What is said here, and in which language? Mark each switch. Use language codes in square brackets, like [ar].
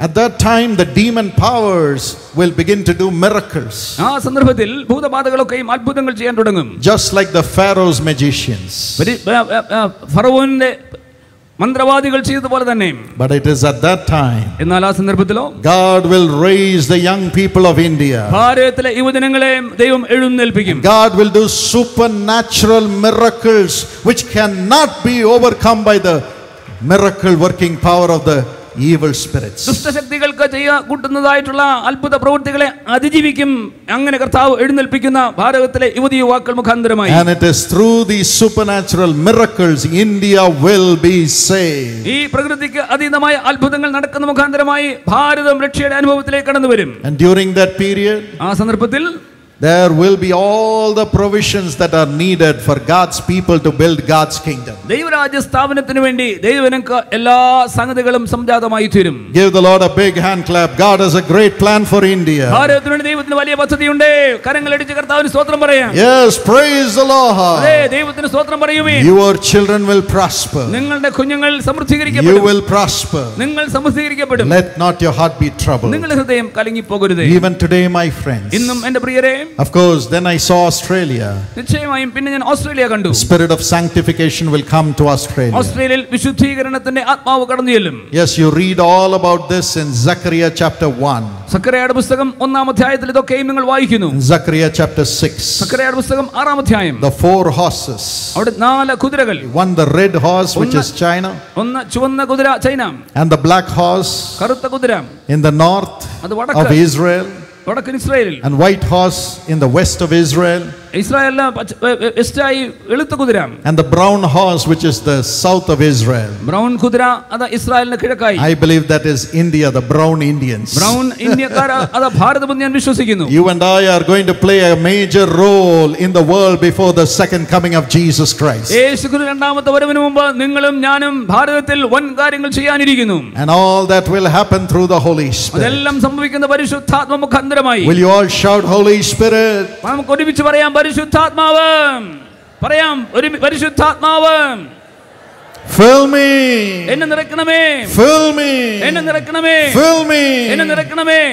[en] At that time the demon powers will begin to do miracles. [ml] ആ സന്ദർഭത്തിൽ ഭൂതബാധകളൊക്കെയും അത്ഭുതങ്ങൾ ചെയ്യാൻ തുടങ്ങും. [en] Just like the Pharaoh's magicians. [ml] ഫറവോന്റെ മന്ത്രവാദികൾ ചെയ്തതുപോലെ തന്നെ. [en] But it is at that time. [ml] എന്നാൽ ആ സന്ദർഭത്തിലോ [en] God will raise the young people of India. [ml] ഭാരതത്തിലെ യുവജനങ്ങളെ ദൈവം എഴുന്നേൽപ്പിക്കും. [en] God will do supernatural miracles which cannot be overcome by the miracle working power of the evil spirits. [ml] ദുഷ്ട ശക്തികൾക്ക് ചെയ്യാ കൂട്ടുന്നതായിട്ടുള്ള അത്ഭുത പ്രവൃത്തികളെ അതിജീവിക്കും അങ്ങനെ കർത്താവ് എഴുന്നേൽപ്പിക്കുന്ന ഭാരതത്തിലെ യുവതി യുവാക്കൾ മുഖാന്തരമായി. [en] And it is through these supernatural miracles India will be saved. [ml] ഈ പ്രകൃതിക്ക് അതീതമായ അത്ഭുതങ്ങൾ നടക്കുന്ന മുഖാന്തരമായി ഭാരതം രക്ഷയുടെ അനുഭവത്തിലേക്ക് കടന്നുവരും. [en] And during that period [ml] ആ സന്ദർഭത്തിൽ [en] there will be all the provisions that are needed for God's people to build God's kingdom. [ml] ദൈവരാജ്യ സ്ഥാപനത്തിനു വേണ്ടി ദൈവനക്ക് എല്ലാ സംഗതികളും സംജാതമായി തീരും. [en] Give the Lord a big hand clap. God has a great plan for India. [ml] ഭാരതത്തിനു വേണ്ടി ദൈവത്തിന് വലിയ പദ്ധതിയുണ്ട്. കരങ്ങളടിച്ച് കർത്താവിന് സ്തോത്രം പറയാം. [en] Yes, praise the Lord. [ml] അതേ ദൈവത്തിന് സ്തോത്രം പറയുവീൻ. [en] Your children will prosper. [ml] നിങ്ങളുടെ കുഞ്ഞുങ്ങൾ സമൃദ്ധീകരിക്കപ്പെടും. [en] You will prosper. [ml] നിങ്ങൾ സമൃദ്ധീകരിക്കപ്പെടും. [en] Let not your heart be troubled. [ml] നിങ്ങളുടെ ഹൃദയം കലങ്ങി പോകരുത്. [en] Even today my friends. [ml] ഇന്നും എൻ്റെ പ്രിയ [en] Of course then I saw Australia. [ml] നിശ്ചയമായും പിന്നെ ഞാൻ ഓസ്ട്രേലിയ കണ്ടു. [en] Spirit of sanctification will come to Australia. [ml] ഓസ്ട്രേലിയയിൽ വിശുദ്ധീകരണത്തിന്റെ ആത്മാവ് കടന്നുചെല്ലും. [en] Yes, you read all about this in Zechariah chapter 1. [ml] സക്കറിയയുടെ പുസ്തകം ഒന്നാം അധ്യായത്തിൽ ഇതൊക്കെയും നിങ്ങൾ വായിക്കുന്നു. [en] Zechariah chapter 6. [ml] സക്കറിയയുടെ പുസ്തകം ആറാം അധ്യായം. [en] The four horses. [ml] അവിടെ നാല് കുതിരകൾ. [en] One the red horse which is China. [ml] ഒന്ന് ചുവന്ന കുതിര China. [en] And the black horse. [ml] കറുത്ത കുതിര. [en] In the north. [ml] അത് വടക്ക്. [en] Of Israel. [ml] വടക്കൻ ഇസ്രായേലിൽ. [en] And white horse in the west of Israel. [ml] ഇസ്രായേലിലെ വെസ്റ്റായി വെളുത്ത കുതിര. [en] And the brown horse which is the south of Israel. [ml] Brown കുതിര അത് ഇസ്രായേലിന്റെ കിഴക്കായി. [en] I believe that is India, the brown Indians. [ml] Brown ഇന്ത്യക്കാർ അത് ഭാരതം എന്ന് ഞാൻ വിശ്വസിക്കുന്നു. [en] You and I are going to play a major role in the world before the second coming of Jesus Christ. [ml] യേശുക്രിസ്തു രണ്ടാമത്തെ വരവിനു മുമ്പ് നിങ്ങളും ഞാനും ഭാരതത്തിൽ വൻ കാര്യങ്ങൾ ചെയ്യാനിരിക്കുന്നു. [en] And all that will happen through the Holy Spirit. [ml] അതെല്ലാം സംഭവിക്കുന്ന പരിശുദ്ധാത്മ മുഖാന്തരമായി. [en] Will you all shout Holy Spirit? [ml] നമുക്ക് ഒരുമിച്ച് പറയാം പരിശുദ്ധാത്മാവ് പറയാം ഒരു പരിശുദ്ധാത്മാവ് [en] Fill me [ml] enna nirakkaname [en] fill me [ml] enna nirakkaname [en] fill me [ml] enna nirakkaname